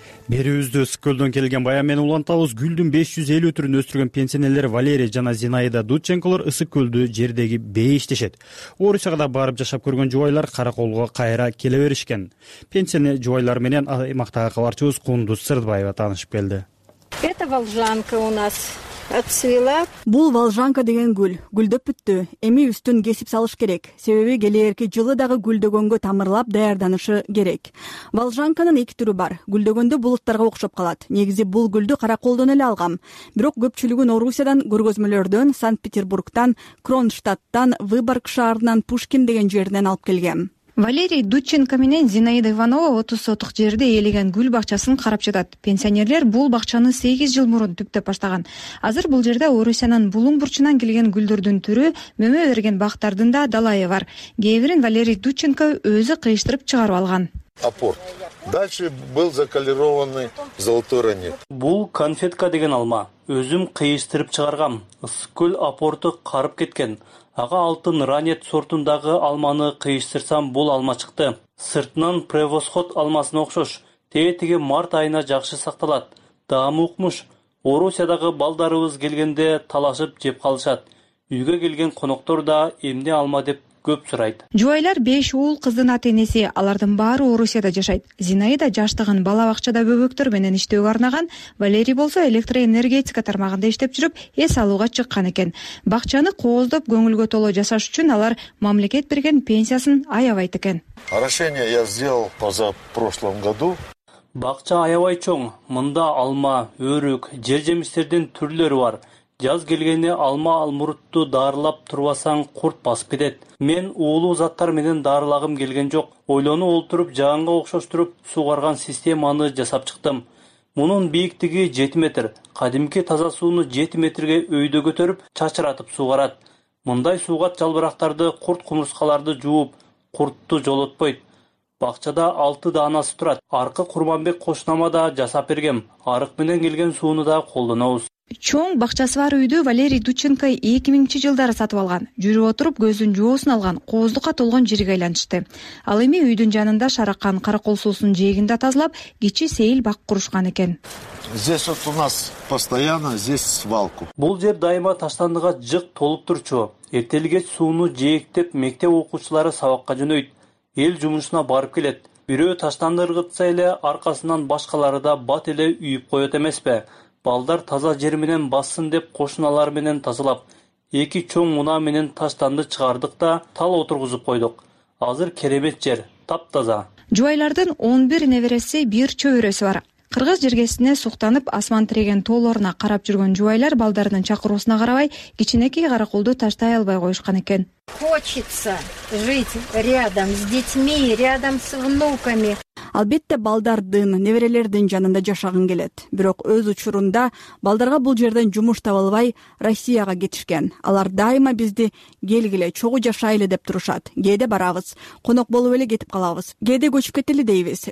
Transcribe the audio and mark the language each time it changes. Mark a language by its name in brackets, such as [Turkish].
[Kyrgyz] Берүүбүздө Сколдон келген баян менен улантабыз. Гүлдүн 550 түрүн өстүргөн пенсионерлер Валерия жана Зинаида Дудченколор Ысык Көлдү жердеги бээ иштешет. Орусияга да барып жашап көргөн жубайлар Караколго кайра келе беришкен. Пенсионер жубайлар менен аймактагы кабарчыбыз Кундуз Сырдбаева таанышып келди. [Russian] Это волжанка у нас отцвела. [Kyrgyz] Бул волжанка деген гүл гүлдөп бүттү. Эми үстүн кесип салыш керек. Себеби келээрки жылы дагы гүлдөгөнгө тамырлап даярданышы керек. Волжанканын 2 түрү бар. Гүлдөгөндө булуттарга окшоп калат. Негизи бул гүлдү Караколдон эле алгам. Бирок көпчүлүгүн Орусиядан, көргөзмөлөрдөн, Санкт-Петербургтан, Кронштадттан, Выборг шаарынан, Пушкин деген жеринен алып келгем. Валерий Дудченко менен Зинаида Иванова 30 сотук жерде ээлеген гүл бакчасын карап жатат. Пенсионерлер бул бакчаны 8 жыл мурун түптөп баштаган. Азыр бул жерде Орусиянын булуң бурчунан келген гүлдөрдүн түрү, мөмө берген бактардын да далайы бар. Кээ бирин Валерий Дудченко өзү кыйыштырып чыгарып алган. Апорт. [Russian] Дальше был заколированный золотой ранет. [Kyrgyz] Бул конфетка деген алма. Өзүм кыйыштырып чыгаргам. Ысык Көл апорту карып кеткен. Ага алтын ранет сортундагы алманы кыйыштырсам бул алма чыкты. Сыртынан превосход алмасына окшош. Тээтиги март айына жакшы сакталат. Даамы укмуш. Орусиядагы балдарыбыз келгенде талашып жеп калышат. Үйгө келген коноктор да эмне алма деп көп сурайт. Жубайлар 5 уул кыздын ата энеси, алардын баары Орусияда жашайт. Зинаида жаштыгын бала бакчада бөбөктөр менен иштөөгө арнаган, Валерий болсо электроэнергетика тармагында иштеп жүрүп, эс алууга чыккан экен. Бакчаны кооздоп көңүлгө толо жасаш үчүн алар мамлекет берген пенсиясын аябайт экен. [Russian] Орошение я сделал позапрошлом году. [Kyrgyz] Бакча аябай чоң. Мында алма, өрүк, жер жемиштердин түрлөрү бар. Жаз келгенде алма алмурутту дарылап турбасаң курт басып кетет. Мен уулуу заттар менен дарылагым келген жок. Ойлону олтуруп жаанга окшоштуруп суугарган системаны жасап чыктым. Мунун бийиктиги 7 метр. Кадимки таза сууну 7 метрге өйдө көтөрүп чачыратып суугарат. Мындай суугат жалбырактарды, курт кумурскаларды жууп, куртту жолотпойт. Бакчада 6 данасы турат. Аркы Курманбек кошунама да жасап бергем. Арык менен келген сууну да колдонобуз. Чоң бакчасы бар үйдү Валерий Дученко 2000-чи жылдары сатып алган. Жүрүп отуруп көзүн жоосун алган, кооздукка толгон жерге айланышты. Ал эми үйдүн жанында шаракан каракол суусун жээгинде тазалап, кичи сейил бак курушкан экен. [Russian] Здесь вот у нас постоянно здесь свалку. [Kyrgyz] Бул жер дайыма таштандыга жык толуп турчу. Эртелиге сууну жээктеп мектеп окуучулары сабакка жөнөйт. Эл жумушуна барып келет. Бирөө таштанды ыргытса эле аркасынан башкалары да бат эле үйүп коет эмеспи? Балдар таза жер менен бассын деп кошуналар менен тазалап, эки чоң муна менен таштанды чыгардык да тал отургузуп койдук. Азыр керемет жер, таптаза. Жубайлардын 11 небереси, бир чөбөрөсү бар. Кыргыз жергесине суктанып, асман тиреген тоолоруна карап жүргөн жубайлар балдарынын чакыруусуна карабай, кичинекей каракулду таштай албай коюшкан экен. [Russian] Хочется жить рядом с детьми, рядом с внуками. [Kyrgyz] Албетте балдардын, неберелердин жанында жашагын келет. Бирок өз учурунда балдарга бул жерден жумуш таба албай Россияга кетишкен. Алар дайыма бизди келгиле, чогуу жашайлы деп турушат. Кээде барабыз, конок болуп эле кетип калабыз. Кээде көчүп кетели дейбиз.